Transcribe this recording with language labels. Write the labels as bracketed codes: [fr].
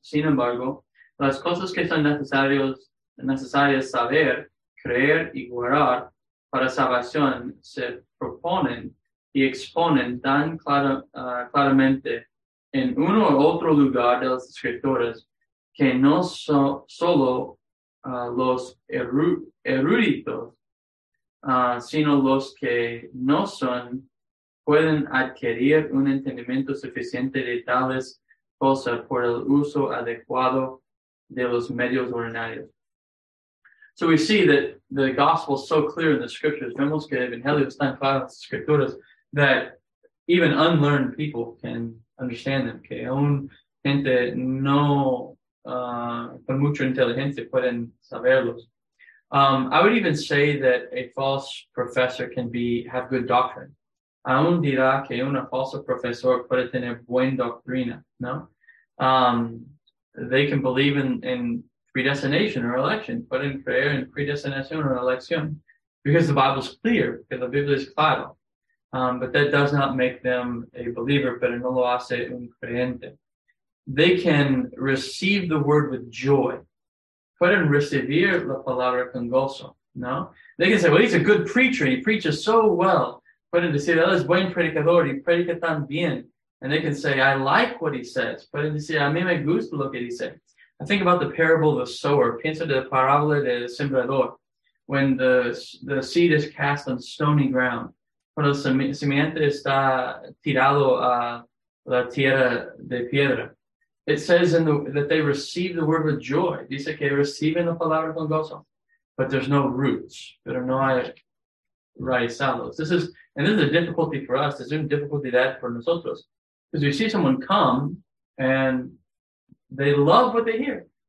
[es] Sin embargo, las cosas que son necesarias saber, creer y guardar para salvación se proponen y exponen tan claramente en uno u otro lugar de las escrituras que no solo los eruditos, sino los que no son, pueden adquirir un entendimiento suficiente de tales cosas por el uso adecuado de los medios ordinarios. [en] So we see that the gospel is so clear in the scriptures. [es] Vemos que el Evangelio es tan claro en las escrituras [en] that even unlearned people can understand them. [es] Que aún gente no con mucha inteligencia pueden saberlos. [en] I would even say that a false professor can be have good doctrine. [es] Aún dirá que un falso profesor puede tener buena doctrina, ¿no? [en] They can believe in predestination or election, put in prayer and predestination or election, because the Bible is clear, because the Biblia is claro. But that does not make them a believer, [es] pero no lo hace un creyente. [en] They can receive the word with joy, [es] pueden recibir la palabra con gozo, no? [en] They can say, well, he's a good preacher, he preaches so well, [es] pueden decir, él es buen predicador, y predica tan bien. [en] And they can say, I like what he says, [es] pueden decir, a mí me gusta lo que dice. [en] I think about the parable of the sower. [es] Pienso de la parábola del sembrador. [en] When the seed is cast on stony ground. [es] Cuando el simiente está tirado a la tierra de piedra. [en] It says in that they receive the word with joy. [es] Dice que reciben la palabra con gozo. [en] But there's no roots. [es] Pero no hay raizados. [en] This is a difficulty for us. [es] Es una dificultad para nosotros. [en] Because we see someone come and they love what they hear.